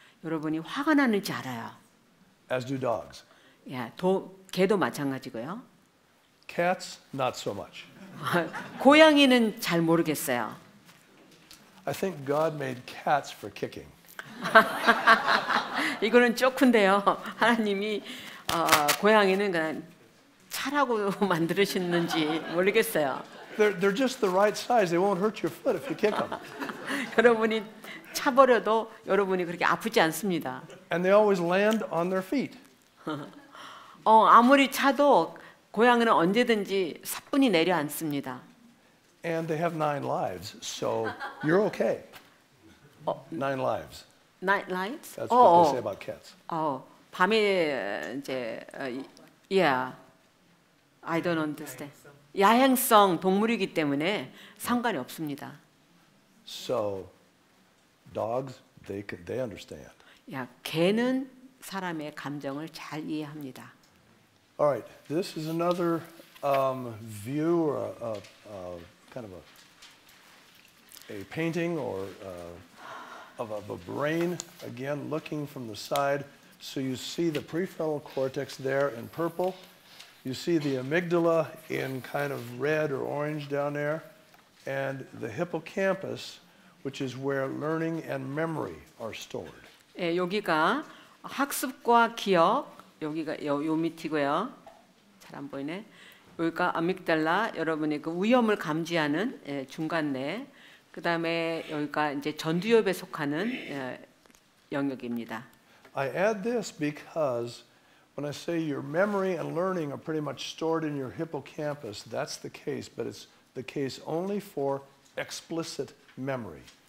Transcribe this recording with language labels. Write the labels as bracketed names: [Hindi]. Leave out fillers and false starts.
[Korean] 여러분이 화가 나는지 알아요. [English] As do dogs. [Korean] 예, 개도 마찬가지고요. [English] Cats, not so much. [Korean] 고양이는 잘 모르겠어요. [English] I think God made cats for kicking. [Korean] 이거는 쪼큰데요. 하나님이 고양이는 그냥 차라고 만드셨는지 모르겠어요. [English] They're just the right size. They won't hurt your foot if you kick them. [Korean] 여러분이 차버려도 여러분이 그렇게 아프지 않습니다. [English] And they always land on their feet. [Korean] 아무리 차도 고양이는 언제든지 사뿐히 내려앉습니다. [English] And they have nine lives, so you're okay. Nine lives. Nine lives? That's what they say about cats. [Korean] Oh, 밤에 이제 yeah. [English] I don't understand. [Korean] 야행성 동물이기 때문에 상관이 없습니다. [English] So dogs, they understand. [Korean] 야, 개는 사람의 감정을 잘 이해합니다. [English] All right. This is another view or a kind of a painting or of a brain again, looking from the side. So you see the prefrontal cortex there in purple. You see the amygdala in kind of red or orange down there, and the hippocampus, which is where learning and memory are stored. [Korean] 예, 여기가 학습과 기억 여기가 요 밑이고요. 안 보이네. 여기가 아믹달라, 여러분의 그 위험을 감지하는 예, 중간뇌. 그 다음에 여기가 이제 전두엽에 속하는 영역입니다. [English] I add this because when I say your memory and learning are pretty much stored in your hippocampus, that's the case. But it's the case only for explicit memory.